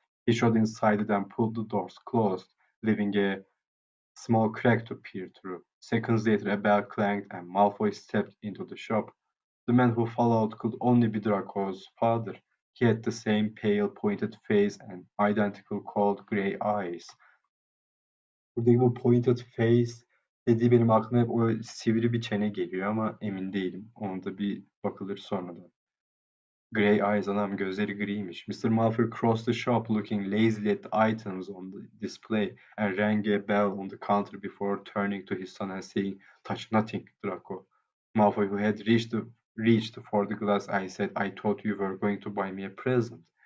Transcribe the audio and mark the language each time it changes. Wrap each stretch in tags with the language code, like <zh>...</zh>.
<en>He shot inside it and pulled the doors closed, leaving a small crack to peer through. Seconds later, a bell clanged and Malfoy stepped into the shop. The man who followed could only be Draco's father. He had the same pale, pointed face and identical cold gray eyes. They were pointed face.</en> <tr>Dediği benim aklıma hep o sivri bir çene geliyor ama emin değilim. Ona da bir bakılır sonradan.</tr> <en>Grey eyes</en> <tr>anam gözleri griymiş. Mr.</tr> <en>Malfoy crossed the shop looking lazily at the items on the display and rang a bell on the counter before turning to his son and saying, "Touch nothing, Draco." Malfoy, who had reached for the glass, I said, "I thought you were going to buy me a present."</en>